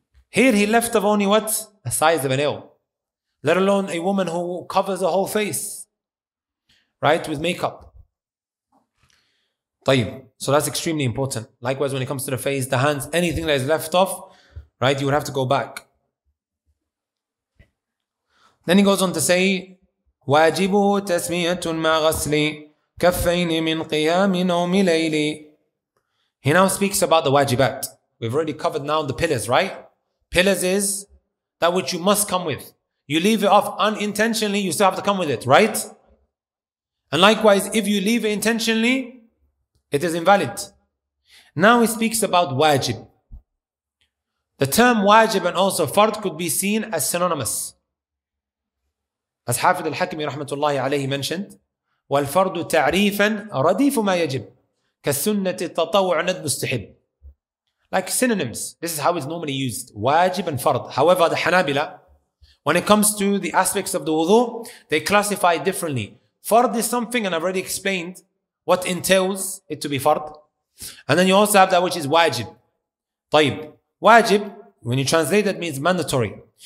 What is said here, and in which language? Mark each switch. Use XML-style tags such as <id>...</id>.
<en>Here he left of only what? The size of an nail. Let alone a woman who covers her whole face. Right? With makeup. طيب. So that's extremely important. Likewise, when it comes to the face, the hands, anything that is left off, right? You would have to go back. Then he goes on to say,</en> <ar>واجبه تسمية مع غسل كفين من قيام نوم ليلي.</ar> <en>He now speaks about the wajibat. We've already covered now the pillars, right? Pillars is that which you must come with. You leave it off unintentionally, you still have to come with it, right? And likewise, if you leave it intentionally, it is invalid. Now he speaks about wajib. The term wajib and also fard could be seen as synonymous. As Hafid al-Hakimi rahmatullahi alayhi mentioned,</en> <ar>وَالْفَرْدُ تَعْرِيفًا رَدِيفُ مَا يَجِبْ كَالسُنَّةِ التَّطَوْعُ نَدْمُ اسْتِحِبْ.</ar> <en>Like synonyms, this is how it's normally used, wajib and fard. However, the Hanabila, when it comes to the aspects of the wudu, they classify it differently. Fard is something, and I've already explained what entails it to be fard. And then you also have that which is wajib. طيب, wajib, when you translate it, means mandatory.</en>